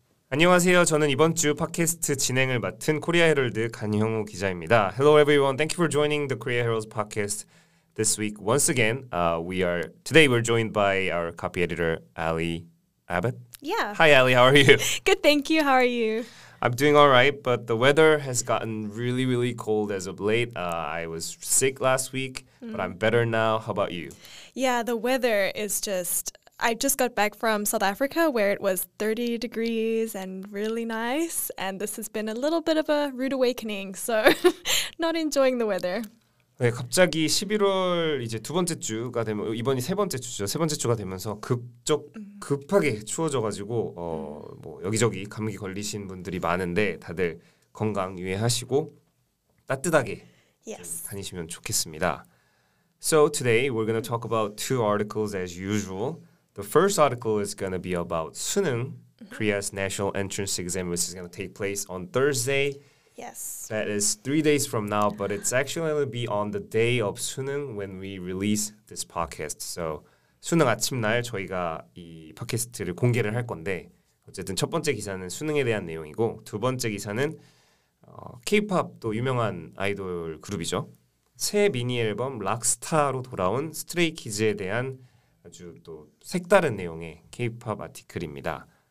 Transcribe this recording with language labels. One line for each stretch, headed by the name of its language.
Korean: 안녕하세요. 저는 이번 주 팟캐스트 진행을 맡은 코리아 헤럴드 간형우 기자입니다.
English: Hello everyone. Thank you for joining the Korea Herald podcast this week. Once again, we're joined by our copy editor Ali Abbott. Yeah. Hi Ali, how are you? Good, thank you. How are you? I'm doing all right, but the weather has gotten really, really cold as of late. I was sick last week, but I'm better now. How about you? Yeah, the weather is just I just got back from South Africa where it was 30 degrees and really nice. And this has been a little bit of a rude awakening. So not enjoying the weather.
Korean: 네, 갑자기 11월 이제 두 번째 주가 되면 이번이 세 번째 주죠. 세 번째 주가 되면서 급하게 추워져가지고 뭐 여기저기 감기 걸리신 분들이 많은데 다들 건강 유의하시고 따뜻하게
English: yes.
Korean: 다니시면 좋겠습니다.
English: So today we're going to talk about two articles as usual. The first article is going to be about 수능, Korea's national entrance exam, which is going to take place on Thursday. Yes. That is 3 days from now, but it's actually going to be on the day of 수능 when we release this podcast.
Korean: So 수능 아침날 저희가 이 팟캐스트를 공개를 할 건데 어쨌든 첫 번째 기사는 수능에 대한 내용이고 두 번째 기사는 K-pop 또 유명한 아이돌 그룹이죠. 새 미니앨범 락스타로 돌아온 스트레이키즈에 대한 아주 또 색다른 내용의 K-pop 아티클입니다.